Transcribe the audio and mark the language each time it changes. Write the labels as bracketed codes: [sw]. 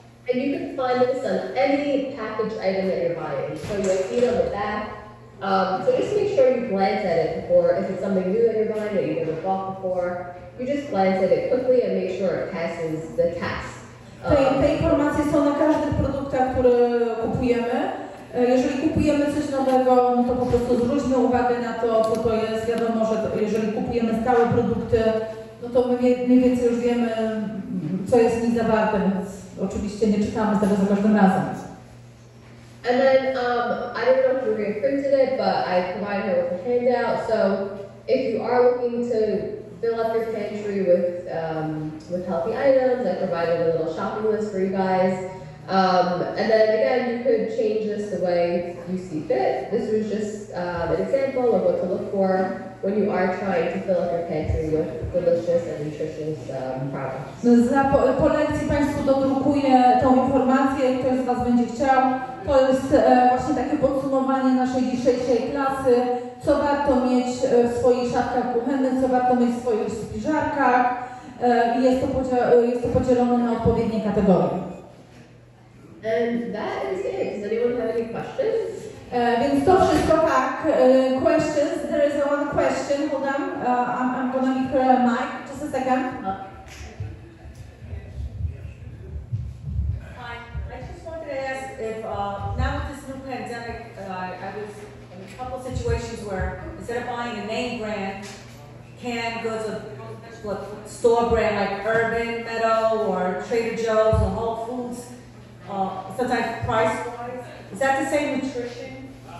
[en] And you can find this on any package item that you're buying. So you can eat on the back. So just make sure you glance at it before, if it's something new that you're buying that you've never bought before, you just glance at it quickly and make sure it passes the test. [pl] Te informacje są na każdych produktach, które kupujemy. Jeżeli kupujemy coś nowego, to po prostu zwróćmy uwagę na to, co to jest. Wiadomo, że jeżeli kupujemy stałe produkty, no to my mniej więcej już wiemy, co jest w nich zawarte, więc oczywiście nie czytamy tego za każdym razem. [en] And then, I don't know if Maria printed it, but I provided her with a handout. So if you are looking to fill up your pantry with healthy items, I provided a little shopping list for you guys. And then again, you could change this the way you see fit. This was just an example of what to look for when you are trying to fill up your pantry with delicious and nutritious products. [pl] Za polecję Państwu dodrukuję tą informację, kto z Was będzie chciał. To jest właśnie takie podsumowanie naszej dzisiejszej klasy, co warto mieć w swoich szafkach kuchennych, co warto mieć w swoich spiżarkach i jest to podzielone na odpowiednie kategorie. [en] And that is it. Does anyone have any questions? [pl] Więc to wszystko, tak. [en] Questions. There is one question. Hold on. I'm gonna mic. Just a second. Hi. I just wanted to ask if now with this new pandemic, I was in a couple situations where instead of buying a name brand, canned goods of store brand like Urban Meadow or Trader Joe's or Whole Foods, sometimes price wise, is that the same nutrition?